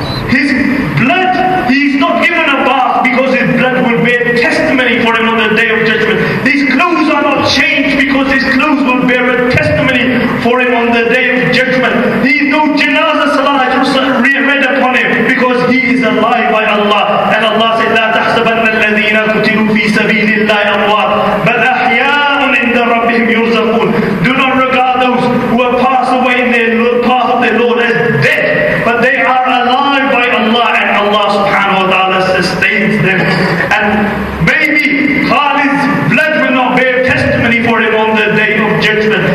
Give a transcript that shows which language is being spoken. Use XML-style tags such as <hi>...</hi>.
<en>His blood, he's not given a bath because his blood will bear testimony for him on the day of judgment. These clothes are not changed because his clothes will bear a testimony for him on the day of judgment. He's no janazah salah read upon him because he is alive by Allah. And Allah said,</en> <ar>لا تحسبن الذين قتلوا في سبيل الله أموات بل أحياء عند ربهم يرزقون.</ar> <en>Do not regard those who have passed away in their path of their Lord as dead, but they are alive by Allah, and Allah subhanahu wa ta'ala sustains them. And maybe Khalid's blood will not bear testimony for him on the day of judgment.</en>